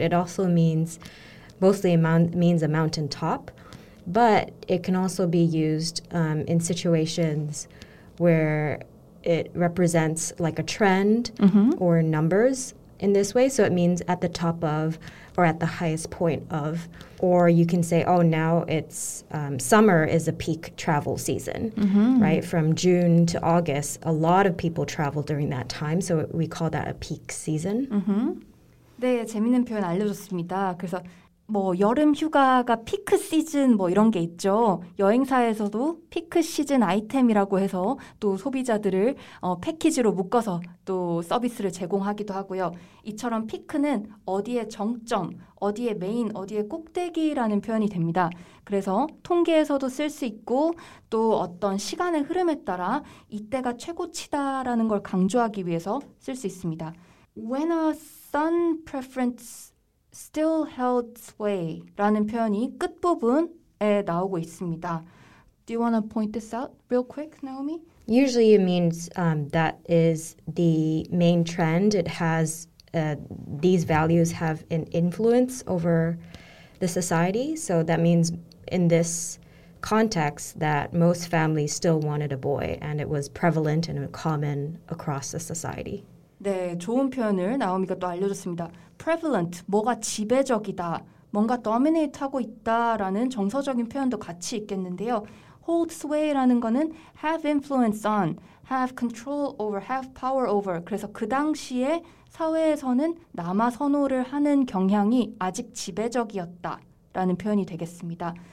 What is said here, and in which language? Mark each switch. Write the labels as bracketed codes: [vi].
[en] It also means mostly means a mountain top, but it can also be used in situations where it represents like a trend or numbers in this way. So it means at the top of or at the highest point of, or you can say, oh, now it's summer is a peak travel season, right? From June to August, a lot of people travel during that time. So we call that a peak season. Mm-hmm. [ko] 네, 재밌는 표현 알려줬습니다. 그래서 뭐 여름 휴가가 피크 시즌 뭐 이런 게 있죠. 여행사에서도 피크 시즌 아이템이라고 해서 또 소비자들을 패키지로 묶어서 또 서비스를 제공하기도 하고요. 이처럼 피크는 어디의 정점, 어디의 메인, 어디의 꼭대기라는 표현이 됩니다. 그래서 통계에서도 쓸 수 있고 또 어떤 시간의 흐름에 따라 이때가 최고치다라는 걸 강조하기 위해서 쓸 수 있습니다. [en] When a sun preference still held sway [ko] 라는 표현이 끝부분에 나오고 있습니다. [en] Do you want to point this out real quick, Naomi? Usually it means that is the main trend. It has, these values have an influence over the society. So that means in this context that most families still wanted a boy and it was prevalent and common across the society. [ko] 네, 좋은 표현을 나오미가 또 알려줬습니다. Prevalent, 뭐가 지배적이다, 뭔가 dominate하고 있다라는 정서적인 표현도 같이 있겠는데요. Hold sway라는 거는 [en] have influence on, have control over, have power over. [ko] 그래서 그 당시에 사회에서는 남아 선호를 하는 경향이 아직 지배적이었다라는 표현이 되겠습니다.